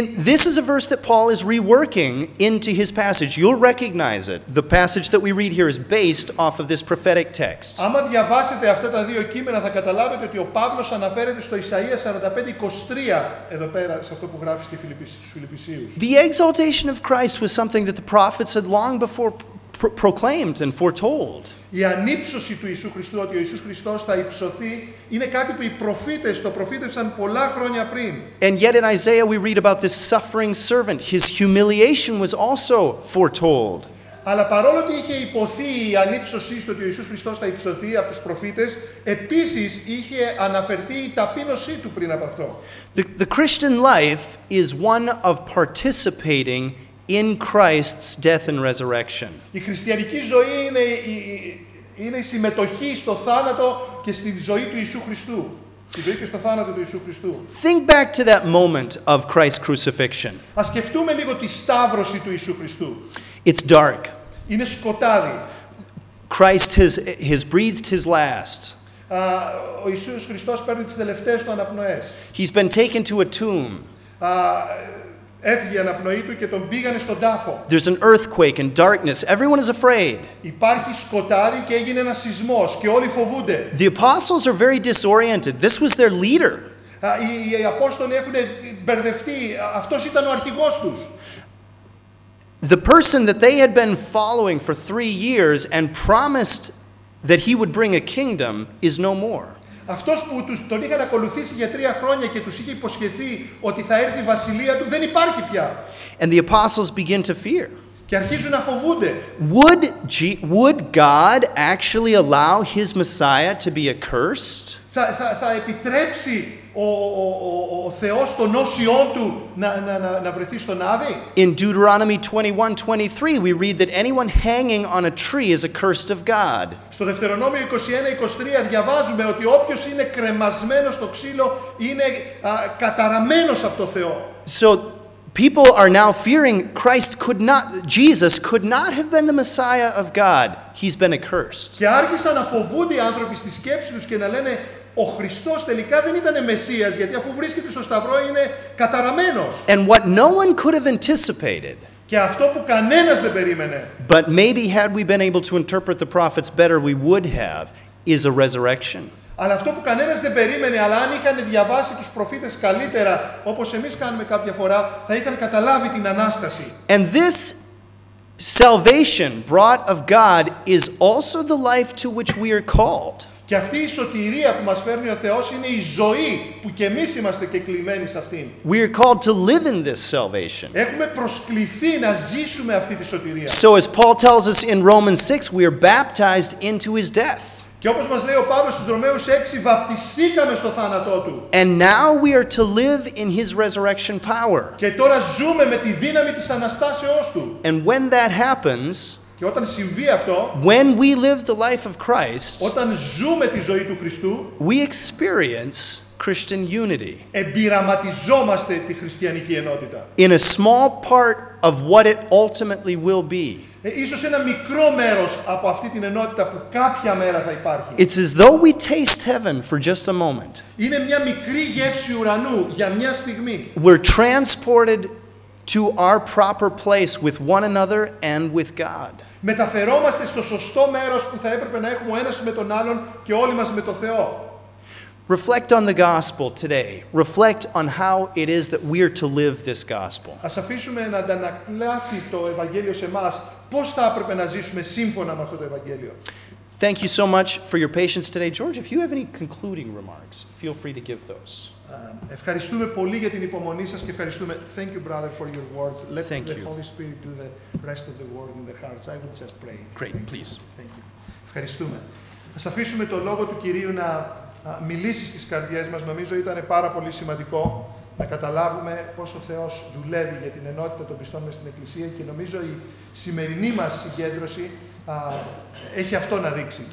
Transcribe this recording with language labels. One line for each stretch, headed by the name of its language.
English: This is a verse that Paul is reworking into his passage. You'll recognize it. The passage that we read here is based off of this prophetic text.
Greek: Άμα διαβάσετε αυτά τα δύο κείμενα, θα καταλάβετε ότι ο Παύλος αναφέρεται στο Ισαΐα 45:23 εδώ πέρα, σε αυτό που γράφει στη Φιλιππησίους.
English: The exaltation of Christ was something that the prophets had long before proclaimed and foretold.
Greek: Η ανύψωση του Ιησού Χριστού, ότι ο Ιησούς Χριστός θα υψωθεί, είναι κάτι που οι προφήτες το προφήτευσαν πολλά χρόνια πριν.
English: And yet in Isaiah we read about this suffering servant. His humiliation was also foretold.
Greek: Αλλά παρόλο ότι είχε υποθεί η ανύψωσή του, ότι ο Ιησούς Χριστός θα υψωθεί από τους προφήτες, επίσης είχε αναφερθεί η ταπείνωσή του πριν από αυτό.
English: The Christian life is one of participating in Christ's death and resurrection.
Greek: Η χριστιανική ζωή είναι η συμμετοχή στο θάνατο και στη ζωή του Ιησού Χριστού. Στη ζωή και στο θάνατο του Ιησού Χριστού.
English: Think back to that moment of Christ's crucifixion.
Greek: Ας σκεφτούμε λίγο τη σταύρωση του Ιησού Χριστού.
English: It's dark.
Greek: Είναι σκοτάδι.
English: Christ has breathed his last.
Greek: Ο Ιησούς Χριστός παίρνει τις τελευταίες του αναπνοές.
English: He's been taken to a tomb.
Greek: Έφυγε η αναπνοή του και τον πήγανε στον τάφο.
English: There's an earthquake and darkness. Everyone is afraid.
Greek: Υπάρχει σκοτάδι και έγινε ένας σεισμός και όλοι φοβούνται.
English: The apostles are very disoriented. This was their leader.
Greek: Οι Απόστολοι έχουν μπερδευτεί. Αυτός ήταν ο αρχηγός τους.
English: The person that they had been following for 3 years and promised that he would bring a kingdom is no more.
Greek: Αυτός που τον είχαν ακολουθήσει για 3 χρόνια και τους είχε υποσχεθεί ότι θα έρθει η βασιλεία του δεν υπάρχει πια.
English: And the apostles begin to fear.
Greek: Και αρχίζουν να φοβούνται.
English: Would God actually allow his Messiah to be accursed?
Greek: Θα επιτρέψει ο Θεός τον όσιό του να βρεθεί στον άδη?
English: In Deuteronomy 21:23 we read that anyone hanging on a tree is accursed of God.
Greek: Στο Δευτερονόμιο 21:23 διαβάζουμε ότι όποιος είναι κρεμασμένος στο ξύλο είναι καταραμένος από το Θεό.
English: So people are now fearing Christ could not, Jesus could not have been the Messiah of God. He's been accursed.
Greek: Και άρχισαν να φοβούνται οι άνθρωποι στη σκέψη τους και να λένε ο Χριστός τελικά δεν ήταν Μεσσίας, γιατί αφού βρίσκεται στο Σταυρό είναι καταραμένος.
English: And what no one could have anticipated.
Greek: Και αυτό που κανένας δεν περίμενε.
English: But maybe had we been able to interpret the prophets better, we would have, is a resurrection.
Greek: Αλλά αυτό που κανένας δεν περίμενε, αλλά αν είχαν διαβάσει τους προφήτες καλύτερα, όπως εμείς κάνουμε κάποια φορά, θα είχαν καταλάβει την Ανάσταση.
English: And this salvation brought of God is also the life to which we are called.
Greek: Και αυτή η σωτηρία που μας φέρνει ο Θεός είναι η ζωή που και εμείς είμαστε κεκλειμένοι σε αυτήν.
English: We are called to live in this salvation.
Greek: Έχουμε προσκληθεί να ζήσουμε αυτή τη σωτηρία.
English: So as Paul tells us in Romans 6, we are baptized into his death.
Greek: Και όπως μας λέει ο Παύλος στους Ρωμαίους 6, βαπτιστήκαμε στο θάνατό του.
English: And now we are to live in his resurrection power.
Greek: Και τώρα ζούμε με τη δύναμη της Αναστάσεώς του.
English: And when that happens,
Greek: και όταν συμβεί αυτό,
English: when we live the life of Christ,
Greek: όταν ζούμε τη ζωή του Χριστού,
English: we experience Christian unity.
Greek: Εμπειραματιζόμαστε τη χριστιανική ενότητα.
English: In a small part of what it ultimately will be.
Greek: Ίσως ένα μικρό μέρος από αυτή την ενότητα που κάποια μέρα θα υπάρχει.
English: It's as though we taste heaven for just a moment.
Greek: Είναι μια μικρή γεύση ουρανού για μια στιγμή.
English: We're transported to our proper place with one another and with God.
Greek: Μεταφερόμαστε στο σωστό μέρος που θα έπρεπε να έχουμε ο ένας με τον άλλον και όλοι μας με τον Θεό.
English: Reflect on the gospel today. Reflect on how it is that we are to live this gospel.
Greek: Ας αφήσουμε να αντανακλάσει το Ευαγγέλιο σε μας πώς θα έπρεπε να ζήσουμε σύμφωνα με αυτό το Ευαγγέλιο.
English: Thank you so much for your patience today. George, if you have any concluding remarks, feel free to give those.
Greek: Ευχαριστούμε πολύ για την υπομονή σας και ευχαριστούμε.
English: Thank you, brother, for your words. Let the Holy Spirit do the rest of the work in their hearts. I will just pray. Great, please. Thank you.
Greek: Ευχαριστούμε. Ας αφήσουμε το λόγο του Κυρίου να μιλήσει στις καρδιές μας. Νομίζω ήταν πάρα πολύ σημαντικό να καταλάβουμε πόσο ο Θεός δουλεύει για την ενότητα των πιστών μες στην Εκκλησία και νομίζω η σημερινή μας συγκέντρωση έχει αυτό να δείξει.